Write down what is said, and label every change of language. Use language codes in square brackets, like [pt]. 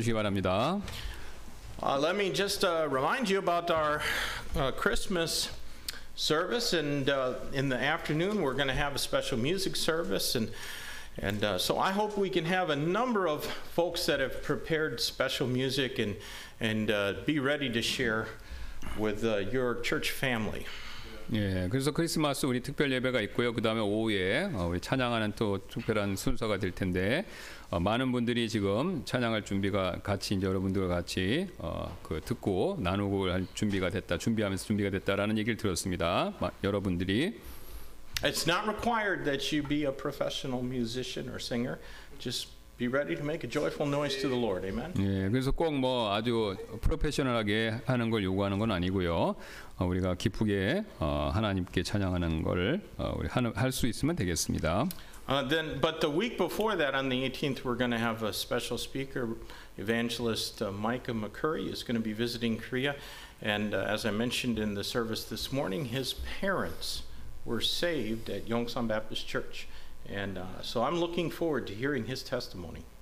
[en] Let me just remind you about our Christmas service, and in the afternoon we're going to have a special music service, and so I hope we can have a number of folks that have prepared special music and be ready to share with your church family. [ko] 예, 그래서 크리스마스 우리 특별 예배가 있고요. 그 다음에 오후에 우리 찬양하는 또 특별한 순서가 될 텐데 많은 분들이 지금 찬양할 준비가 같이 이제 여러분들과 같이 그 듣고 나누고 할 준비가 됐다, 준비하면서 준비가 됐다라는 얘기를 들었습니다. 여러분들이 [en] It's not required that you be a professional musician or singer. Just be ready to make a joyful noise to the Lord. Amen. [ko] 예, 그래서 꼭 뭐 아주 프로페셔널하게 하는 걸 요구하는 건 아니고요. 우리가 기쁘게 하나님께 찬양하는 걸 우리 할 수 있으면 되겠습니다. [en] Then, but the week before that, on the 18th, we're going to have a special speaker, evangelist Micah McCurry is going to be visiting Korea. And as I mentioned in the service this morning, his parents were saved at Yongsan Baptist Church. And so I'm looking forward to hearing his testimony.